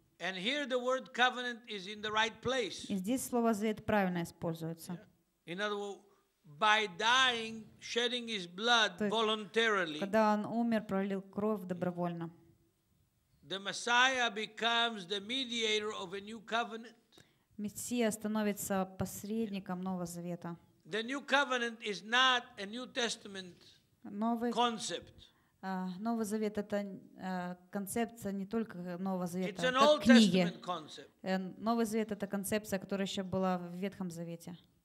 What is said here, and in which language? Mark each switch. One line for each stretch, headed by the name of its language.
English: And here the word covenant is in the right place.
Russian: И здесь слово завет правильно используется.
English: In other words, by dying, shedding his blood voluntarily.
Russian: Когда он умер, пролил кровь добровольно.
English: The Messiah becomes the mediator of a new covenant.
Russian: Мессия становится посредником Нового Завета.
English: The new covenant is not a New Testament concept.
Russian: Новый Завет — это концепция не только Нового Завета, это книги. Новый Завет — это концепция, которая еще была в Ветхом Завете.